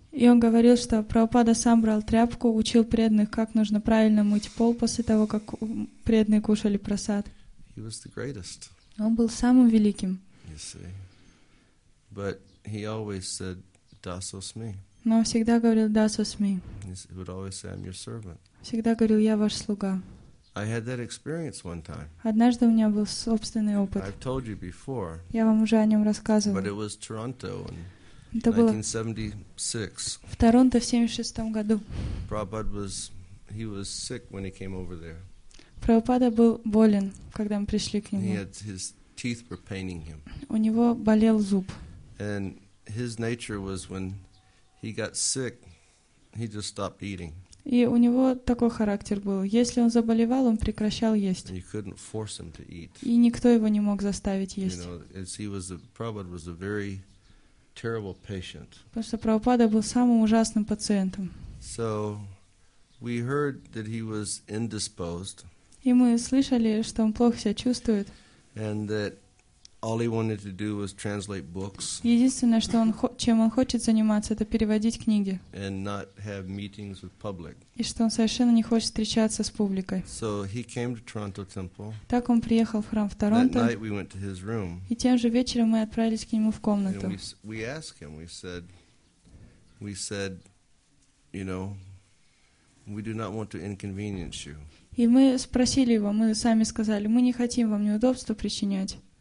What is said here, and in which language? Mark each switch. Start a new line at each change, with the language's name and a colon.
Russian: И он говорил, что Прабхупада сам брал тряпку, учил преданных, как нужно правильно мыть пол после того, как преданные кушали прасад.
English: He was the greatest.
Russian: Он был самым великим.
English: You see. But he always said, Daso smi.
Russian: Но он всегда говорил, Daso smi.
English: He would always say, I'm your servant.
Russian: Всегда говорил, я ваш слуга.
English: I had that experience one time.
Russian: Однажды у меня был собственный опыт.
English: I've told you before.
Russian: Я вам уже о нем рассказывал.
English: But it was Toronto, and
Russian: Это было
English: 1976.
Russian: В Торонто в 76 году.
English: He was sick when he came over there.
Russian: Прабхупада был болен, когда мы пришли к нему.
English: He had his teeth were paining him.
Russian: У него болел зуб.
English: And his nature was when he got sick, he just stopped eating.
Russian: И у него такой характер был. Если он заболевал, он прекращал есть.
English: You couldn't force him to eat.
Russian: И никто его не мог заставить есть.
English: You know, as he was, Prabhupada was a very terrible patient.
Russian: Потому что Прабхупада был самым ужасным пациентом.
English: So we heard that he was indisposed.
Russian: И мы слышали, что он плохо себя чувствует.
English: And that all he wanted to do was translate books.
Russian: Единственное, что он чем он хочет заниматься, это переводить книги.
English: And not have meetings with public.
Russian: И что он совершенно не хочет встречаться с публикой.
English: So he came to Toronto Temple.
Russian: Так он приехал в храм в Торонто.
English: That night we went to his room.
Russian: И тем же вечером мы отправились к нему в комнату.
English: And we asked him. We said, you know, we do not want to inconvenience you.
Russian: И мы спросили его, мы сами сказали, мы не хотим вам неудобства причинять.